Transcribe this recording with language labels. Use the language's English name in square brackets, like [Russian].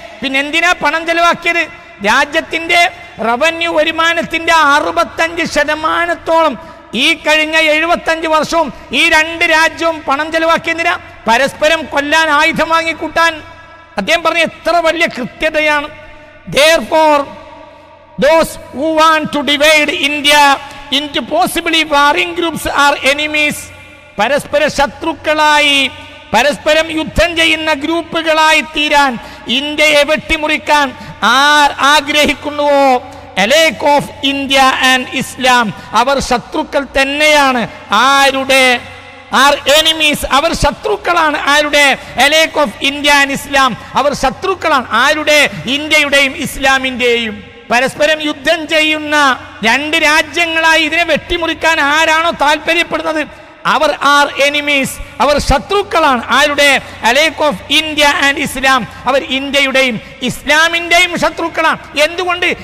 [Malayalam] പിന്നെന്തിനാ പണം ചെലവാക്കിയത്? രാജ്യത്തിന്റെ റവന്യൂ വരുമാനത്തിന്റെ 65% ഈ കഴിഞ്ഞ 75 വർഷവും ഈ രണ്ട് രാജ്യവും പണം ചെലവാക്കിയതിനാ? പരസ്പരം കൊല്ലാൻ, ആയുധം വാങ്ങിക്കൂട്ടാൻ. അദ്ദേഹം പറഞ്ഞ എത്ര വലിയ കൃത്യതയാണ്. [English] Therefore, those who want to divide India into possibly warring groups are enemies. [Malayalam] പരസ്പര ശത്രുക്കളായി, പരസ്പരം യുദ്ധം ചെയ്യുന്ന ഗ്രൂപ്പുകളായി തീരാൻ, ഇന്ത്യയെ വെട്ടിമുറിക്കാൻ R ആഗ്രഹിക്കുന്നുവോ? [English] Alike of India and Islam, [Malayalam] അവർ ശത്രുക്കൾ തന്നെയാണ്. ആരുടെ? [English] Our enemies, [Malayalam] അവർ ശത്രുക്കളാണ്. ആരുടെ? [English] Alike of India and Islam, [Malayalam] അവർ ശത്രുക്കളാണ്. ആരുടെ? ഇന്ത്യയുടെയും ഇസ്ലാമിന്റെയും. പരസ്പരം യുദ്ധം ചെയ്യുന്ന രണ്ട് രാജ്യങ്ങളായി ഇതിനെ വെട്ടിമുറിക്കാൻ ആരാണോ താല്പര്യപ്പെടുന്നത്, അവർ [English] are enemies, [Malayalam] അവർ ശത്രുക്കളാണ്. ആരുടെ? [English] alike of India and Islam, [Malayalam] അവർ ഇന്ത്യയുടെയും ഇസ്ലാമിന്റെയും ശത്രുക്കളാണ്. എന്തുകൊണ്ട്?